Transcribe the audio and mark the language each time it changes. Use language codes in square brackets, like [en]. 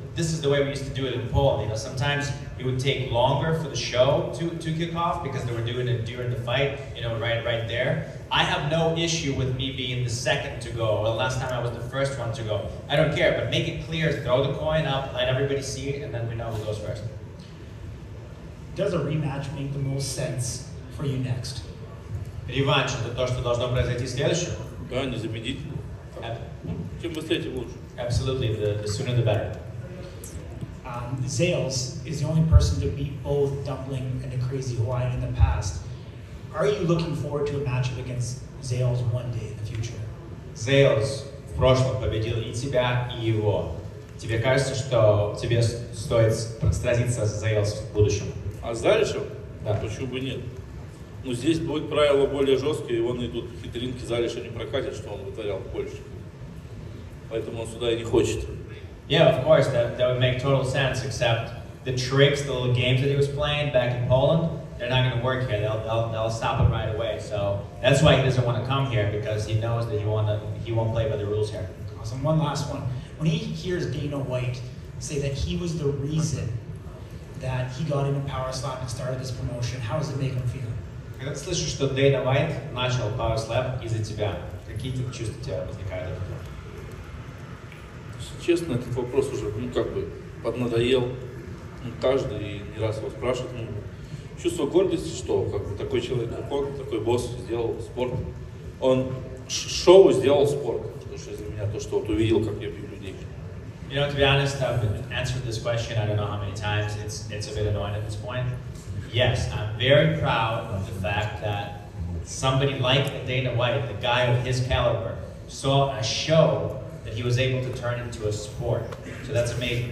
[en] This is the way we used to do it in Poland. You know, sometimes it would take longer for the show to kick off because they were doing it during the fight, you know, right there. I have no issue with me being the second to go, or the last time I was the first one to go. I don't care, but make it clear, throw the coin up, let everybody see it, and then we know who goes first. Does a rematch make the most sense for you next? [ru] Реванш — это то, что должно произойти в следующем? Да, незаменительно. Чем быстрее, тем лучше. [en] Absolutely, the sooner the better. Zales is the only person to beat both Dumpling and the Crazy Hawaiian in the past. Are you looking forward to a matchup against Zales one day in the future? [ru] Zales в прошлом победил и тебя, и его. Тебе кажется, что тебе стоит сразиться с Zales в будущем? А дальше? Да. Почему бы нет? Но здесь будут правила более жесткие, его найдут хитринки, залишь не прокатят, что он вытворял в Польше. Поэтому он сюда и не хочет. [en] Yeah, of course, that would make total sense, except the tricks, the little games that he was playing back in Poland, they're not going to work here. They'll stop him right away. So that's why he doesn't want to come here, because he knows that he won't play by the rules here. Awesome. One last one. When he hears Dana White say that he was the reason that he got into Power Slap and started this promotion, how does it make him feel? [ru] Когда ты слышишь, что Дэйна Уайт начал Power Slap из-за тебя, какие тут чувства у тебя возникают? Честно, этот вопрос уже, ну как бы, поднадоел. Ну, каждый не раз его спрашивает. Ну, чувство гордости, что как бы, такой человек, как он, такой босс, сделал спорт. Он шоу сделал спорт. Потому что для меня то, что вот увидел, как я бью людей. [en] You know, to be honest, I've answered this question, I don't know how many times, it's a bit annoying at this point. Yes, I'm very proud of the fact that somebody like Dana White, the guy of his caliber, saw a show that he was able to turn into a sport. So that's amazing.